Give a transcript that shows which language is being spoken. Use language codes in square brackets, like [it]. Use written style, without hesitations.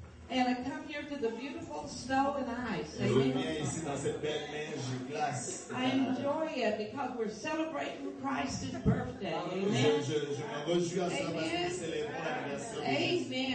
[en] And I come here to the beautiful snow and ice. [fr] Je viens ici dans cette belle neige et glace. [en] I enjoy it because we're celebrating Christ's birthday. Amen. [fr] Je me réjouis à ça parce que nous célébrons l'anniversaire de Jésus.